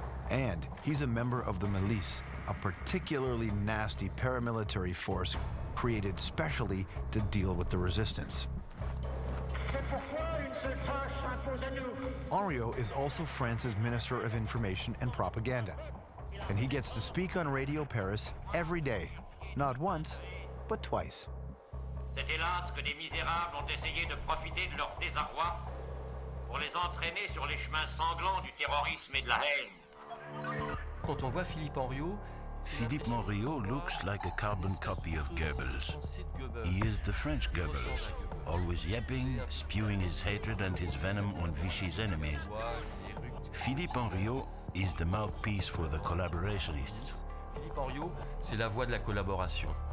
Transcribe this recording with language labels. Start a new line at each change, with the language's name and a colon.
English: And he's a member of the Milice, a particularly nasty paramilitary force created specially to deal with the resistance. Henriot is also France's Minister of Information and Propaganda. And he gets to speak on Radio Paris every day, not once, but twice.
French: C'est hélas que des misérables ont essayé de profiter de leur désarroi pour les entraîner sur les chemins sanglants du terrorisme et de la haine. Quand on voit Philippe Henriot,
English: Philippe Henriot looks like a carbon copy of Goebbels. He is the French Goebbels, always yapping, spewing his hatred and his venom on Vichy's enemies. Philippe Henriot is the mouthpiece for the collaborationists.
French: Philippe Henriot, c'est la voix de la collaboration.